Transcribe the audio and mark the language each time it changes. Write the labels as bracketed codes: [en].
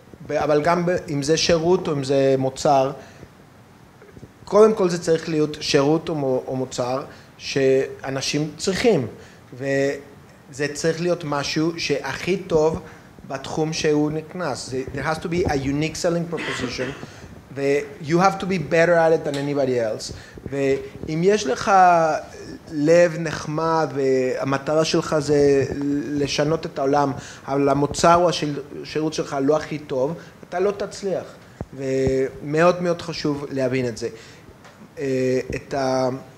[he] אבל גם אם זה שירות או אם זה מוצר, קודם כל זה צריך להיות שירות או מוצר שאנשים צריכים. וזה צריך להיות משהו שהכי טוב בתחום שהוא נכנס. [en] There has to be a unique selling proposition. You have to be better at it than anybody else. [he] ואם יש לך לב נחמד והמטרה שלך זה לשנות את העולם, אבל המוצר או השירות שלך לא הכי טוב, אתה לא תצליח. ומאוד מאוד חשוב להבין את זה. את ה...